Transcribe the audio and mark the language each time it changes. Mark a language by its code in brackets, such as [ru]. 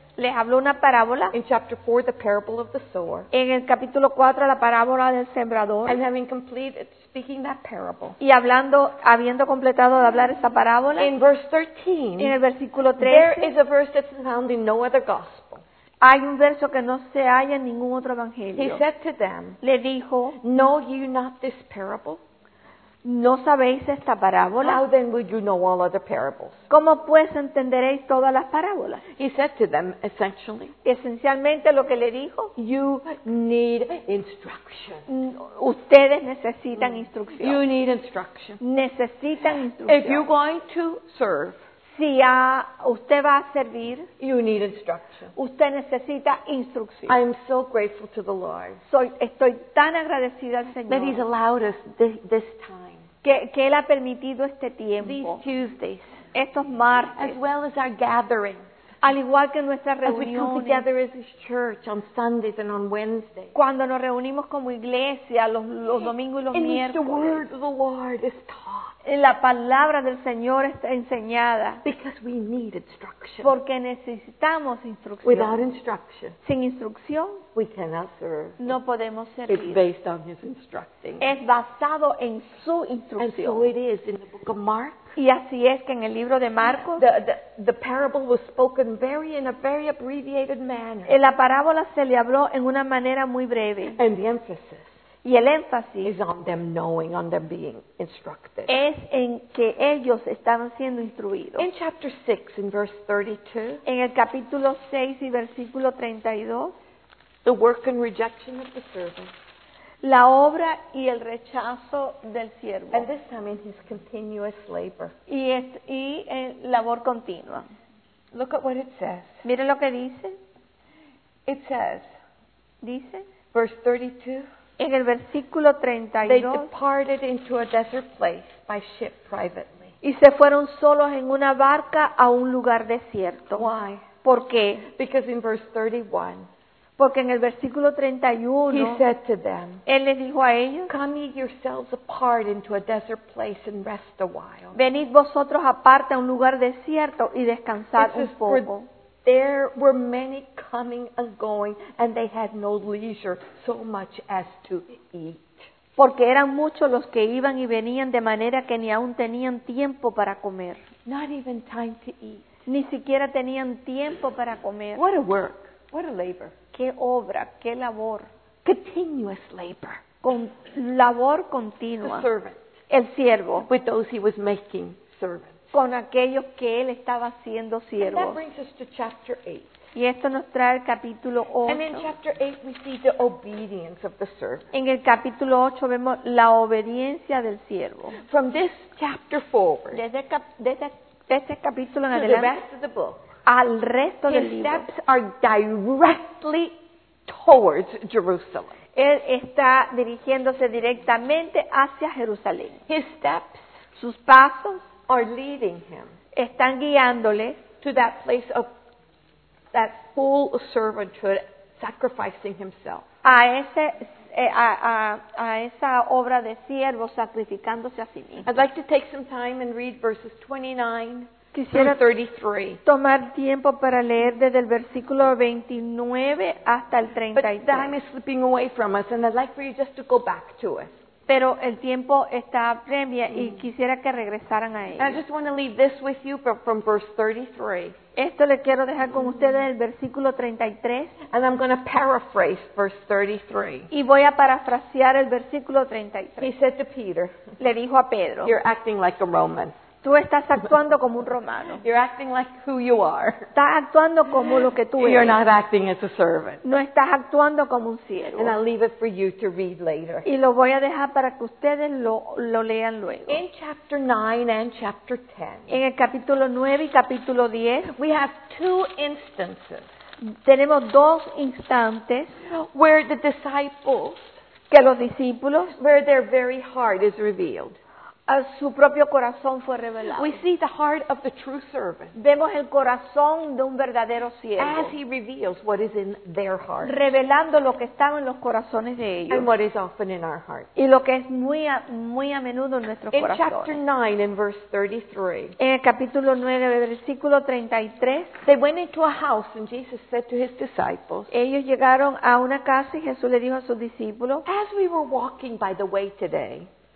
[es] Les habló una parábola. [en] In chapter 4, the parable of the sower. [es] En el capítulo 4, la parábola del sembrador. [en] And having completed speaking that parable. [es] Y habiendo completado de hablar esa parábola. [en] In verse 13. [es] En el versículo 13. [en] There is a verse that's found in no other gospel. [es] Hay un verso que no se halla en ningún otro evangelio. [en] He said to them, [es] le dijo, [en] know you not this parable? [es] ¿No sabéis esta parábola? [en] How then will you know all other parables? [es] ¿Cómo pues entenderéis todas las parábolas? [en] He said to them, essentially, [es] esencialmente lo que le dijo, [en] you need instruction. [es] Ustedes necesitan instrucción. [en] You need instruction. [es] Necesitan instrucción. [en] If you're going to serve, [es] si usted va a servir, [en] you need instruction. [es] Usted necesita instrucción. [en] I am so grateful to the Lord. [es] Estoy tan agradecida al Señor. [en] That He's allowed us this time. [es] Que Él ha permitido este tiempo. [en] These Tuesdays. [es] Estos martes. [en] As well as our gatherings. [es] Al igual que nuestras reuniones. [en] As we come together as His church on Sundays and on Wednesdays. [es] Cuando nos reunimos como iglesia los domingos y los miércoles. [en] And the word of the Lord is taught. [es] La palabra del Señor está enseñada. [en] Because we need instruction. [es] Porque necesitamos instrucción. [en] Without instruction, [es] sin instrucción, [en] we cannot serve. [es] No podemos servir. [en] It's based on His instructing. [es] Es basado en su instrucción. [en] And so it is in the book of Mark. [es] Y así es que en el libro de Marcos, [en] the parable was spoken in a very abbreviated manner. [es] La parábola se le habló en una manera muy breve. [en] And the emphasis. [es] Y el énfasis [en] is on them knowing, on them being instructed. [es] Es en que ellos estaban siendo instruidos. [en] In chapter 6, in verse 32, [es] en el capítulo 6 y versículo 32, [en] the work and rejection of the servant, [es] la obra y el rechazo del siervo, [en] and this time in his continuous labor, [es] y en labor continua. [en] Look at what it says. [es] Mire lo que dice. [en] It says, [es] dice, [en] verse 32, [es] en el versículo 32, [en] they departed into a desert place by ship privately. [es] Y se fueron solos en una barca a un lugar desierto. [en] Why? [es] ¿Por qué? [en] Because in verse 31, [es] Porque en el versículo 31, [en] he said to them, [es] él les dijo a ellos, [en] come ye yourselves apart into a desert place and rest a while. [es] Venid vosotros aparte a un lugar desierto y descansad un poco. [en] There were many coming and going, and they had no leisure so much as to eat. [es] Porque eran muchos los que iban y venían de manera que ni aún tenían tiempo para comer. [en] Not even time to eat. [es] Ni siquiera tenían tiempo para comer. [en] What a work. What a labor. [es] Qué obra, qué labor. [en] Continuous labor. [es] Con labor continua. [en] The servant. [es] El siervo. [en] With those he was making servants. [es] Con aquellos que él estaba haciendo siervos. [en] And that brings us to chapter 8. [es] Y esto nos trae el capítulo 8. [en] And in chapter 8 we see the obedience of the servant. [es] En el capítulo 8 vemos la obediencia del siervo. [en] From this chapter forward. [es] Desde este capítulo en [en] to [es] adelante. [en] To the rest of the book. [es] Al resto del libro. [en] His steps are directly towards Jerusalem. [es] Él está dirigiéndose directamente hacia Jerusalén. [en] His steps. [es] Sus pasos. [en] Are leading him. [es] Están guiándole [en] to that place of that full servanthood, sacrificing himself. [es] A esa obra de siervo sacrificándose a sí mismo. [en] I'd like to take some time and read verses 29 [es] Quisiera [en] through 33. [es] Tomar tiempo para leer desde el versículo 29 hasta el 33. [en] But time is slipping away from us, and I'd like for you just to go back to it. [es] Pero el tiempo está premia y quisiera que regresaran a él. [en] I just want to leave this with you from verse 33. [es] Esto le quiero dejar con ustedes el versículo 33. [en] And I'm going to paraphrase verse 33. [es] Y voy a parafrasear el versículo 33. [en] He said to Peter, [es] le dijo a Pedro, [en] you're acting like a Roman. [es] Tú estás actuando como un romano. [en] You're acting like who you are. [es] Estás actuando como lo que tú eres. [en] You're not acting as a servant. [es] No estás actuando como un siervo. [en] And I'll leave it for you to read later. [es] Y lo voy a dejar para que ustedes lo lean luego. [en] In chapter 9 and chapter 10. [es] En el capítulo 9 y capítulo 10, [en] we have two instances. [es] Tenemos dos instantes [en] where the disciples, [es] que los discípulos, [en] where their very heart is revealed. [es] A su propio corazón fue revelado. [en] We see the heart of the true servant. [es] Vemos el corazón de un verdadero siervo. [en] As he reveals what is in their heart. [es] Revelando lo que estaba en los corazones de ellos. [en] And what is often in our heart. [es] Y lo que es muy, muy a menudo en nuestros corazones. [en] In chapter 9, in verse 33. [es] En el capítulo 9, versículo 33. [en] They went into a house and Jesus said to his disciples. [es] Ellos llegaron a una casa y Jesús le dijo a sus discípulos. [en] As we were walking by the way today.